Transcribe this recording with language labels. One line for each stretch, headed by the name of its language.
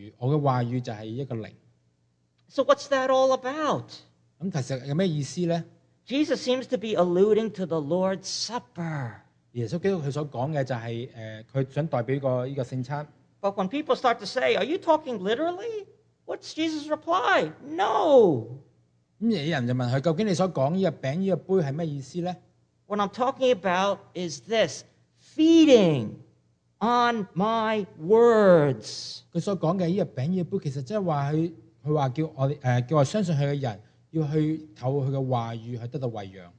Chinese: 耶穌基督說,這個身體,這個肉不代表什麼,最重要的是我的話語,我的話語就是一個靈。So
English: what's that all about?
Chinese: 其實有什麼意思呢?
English: Jesus seems to be alluding to the Lord's Supper.
Chinese: 耶穌基督他所說的就是他想代表這個聖餐。
English: But when people start to say, are you talking literally? What's Jesus' reply? No!
Chinese: 有人就問他,究竟你所說的這個餅、這個杯是什麼意思呢?
English: What I'm talking about is this, feeding on my words.
Chinese: 他所說的這個餅、這個杯其實就是叫我相信他的人 要去透過他的話語去得到餵養。